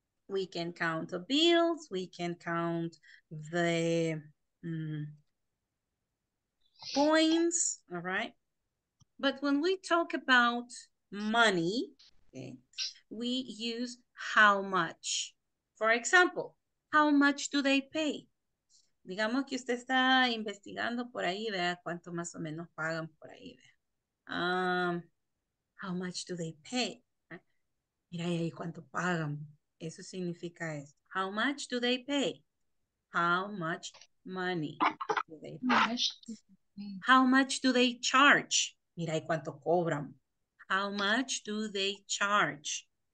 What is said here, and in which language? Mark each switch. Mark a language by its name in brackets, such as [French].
[English] We can count the bills. We can count the points, all right? But when we talk about money, okay, we use how much. For example, how much do they pay? [Spanish] Digamos que usted está investigando por ahí, vea cuánto más o menos pagan por ahí, vea. [English] How much do they pay? [Spanish] Mira ahí cuánto pagan. Eso significa es, [English] how much do they pay? How much money do they pay? How much do they charge? [Spanish] Mira ahí cuánto cobran. [English] How much do they charge?